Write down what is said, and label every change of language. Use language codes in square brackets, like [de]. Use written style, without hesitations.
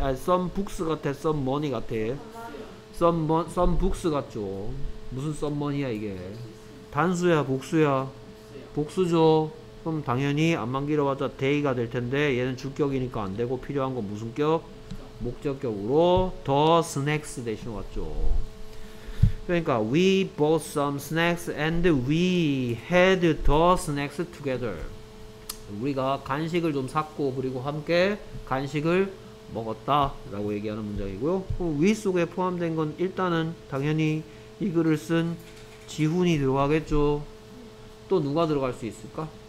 [ko] 아니 [en] some books [ko] 같아. [en] some money [ko] 같아. some books 같죠. 무슨 some money야 이게? 단수야 복수야? 복수죠. 그럼 당연히 안만 길어봤자 day가 될 텐데 얘는 주격이니까 안 되고 필요한 건 무슨 격? 목적격으로 더 snacks 대신 왔죠. 그러니까 [en] we bought some snacks and we had the snacks together. [ko] 우리가 간식을 좀 샀고 그리고 함께 간식을 먹었다 라고 얘기하는 문장이고요. 그럼 we 속에 포함된 건 일단은 당연히 이 글을 쓴 지훈이 들어가겠죠. 또 누가 들어갈 수 있을까?